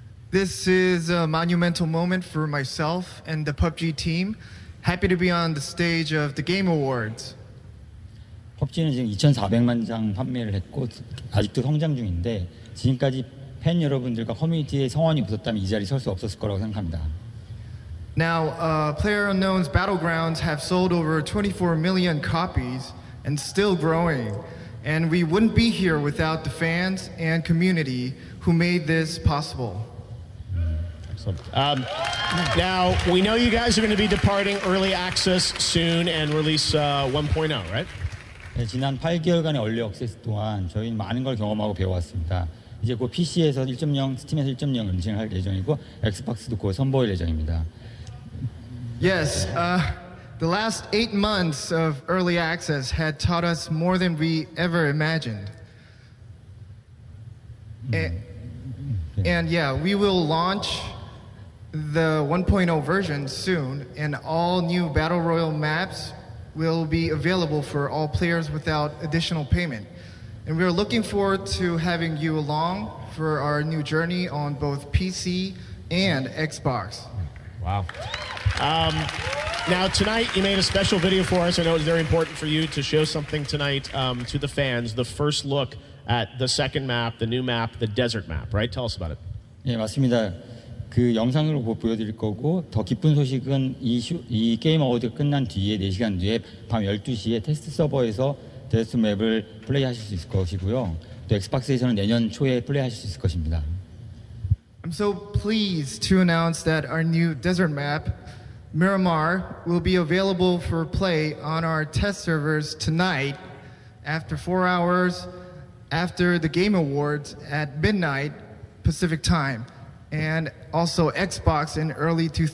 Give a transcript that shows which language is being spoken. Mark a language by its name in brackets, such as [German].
[English] This is a monumental moment for myself and the PUBG team. Happy to be on the stage of the Game Awards. [Korean] PUBG는 지금 2,400만 장 판매를 했고 아직도 성장 중인데 지금까지 팬 여러분들과 커뮤니티의 성원이 없었다면 이 자리에 설 수 없었을 거라고 생각합니다. [English] Now, PlayerUnknown's Battlegrounds have sold over 24 million copies and still growing. And we wouldn't be here without the fans and community who made this possible. Now, we know you guys are going to be departing Early Access soon and release 1.0, right? [Korean] 네, 지난 8개월간의 Early Access 동안 저희는 많은 걸 경험하고 배워왔습니다. 이제 곧 PC에서 1.0, 스팀에서 1.0 런칭할 예정이고, 엑스박스도 곧 선보일 예정입니다. [English] Yes. The last 8 months of Early Access had taught us more than we ever imagined. And yeah, we will launch the 1.0 version soon, and all new Battle Royale maps will be available for all players without additional payment. And we're looking forward to having you along for our new journey on both PC and Xbox. Wow. Now, tonight, you made a special video for us. I know it was very important for you to show something tonight to the fans, the first look at the second map, the new map, the desert map, right? Tell us about it. [Korean] 네, 맞습니다. 그 영상으로 보여드릴 거고, 더 기쁜 소식은 이 게임 어워드가 끝난 뒤에, 4시간 뒤에, 밤 12시에 테스트 서버에서 데스 맵을 플레이하실 수 있을 것이고요. 또 엑스박스에서는 내년 초에 플레이하실 수 있을 것입니다. [English] I'm so pleased to announce that our new desert map, Miramar, will be available for play on our test servers tonight after 4 hours after the Game Awards at midnight Pacific time and also Xbox in early